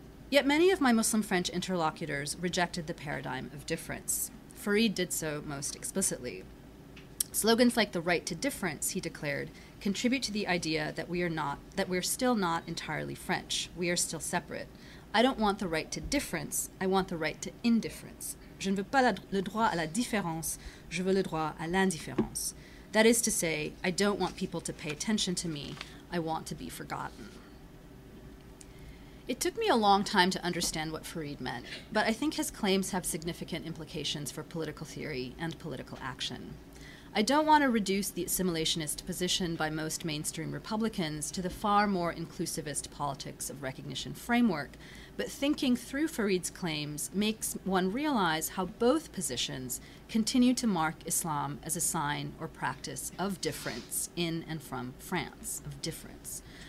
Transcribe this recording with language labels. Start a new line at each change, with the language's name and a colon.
English: Yet many of my Muslim French interlocutors rejected the paradigm of difference. Farid did so most explicitly. Slogans like the right to difference, he declared, contribute to the idea that we're still not entirely French. We are still separate. I don't want the right to difference. I want the right to indifference.
French: Je ne veux pas le droit à la différence. Je veux le droit à l'indifférence.
English: That is to say, I don't want people to pay attention to me. I want to be forgotten. It took me a long time to understand what Farid meant, but I think his claims have significant implications for political theory and political action. I don't want to reduce the assimilationist position by most mainstream Republicans to the far more inclusivist politics of recognition framework, but thinking through Farid's claims makes one realize how both positions continue to mark Islam as a sign or practice of difference in and from France, of difference.